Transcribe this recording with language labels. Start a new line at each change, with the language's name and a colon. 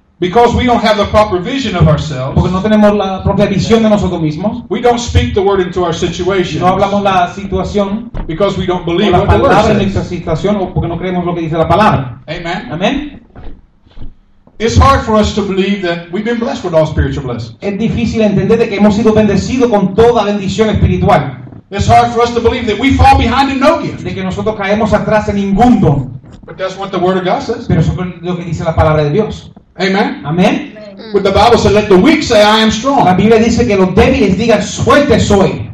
English: because we don't have the proper vision of ourselves,
Spanish: porque no tenemos la propia visión de nosotros mismos,
English: we don't speak the word into our situation,
Spanish: no hablamos la situación,
English: because we don't believe what the word says,
Spanish: o la palabra en nuestra situación, o porque no creemos lo que dice la palabra.
English: Amen.
Spanish: Amen.
English: It's hard for us to believe that we've been blessed with all spiritual blessings.
Spanish: Es difícil entender de que hemos sido bendecidos con toda bendición espiritual.
English: It's hard for us to believe that we fall behind in no gift.
Spanish: De que nosotros caemos atrás en ningún don.
English: But that's what the Word of God says.
Spanish: Pero eso es lo que dice la palabra de Dios.
English: Amen.
Spanish: Amen.
English: But the Bible says, "Let the weak say I am strong."
Spanish: La Biblia dice que los débiles digan fuerte soy.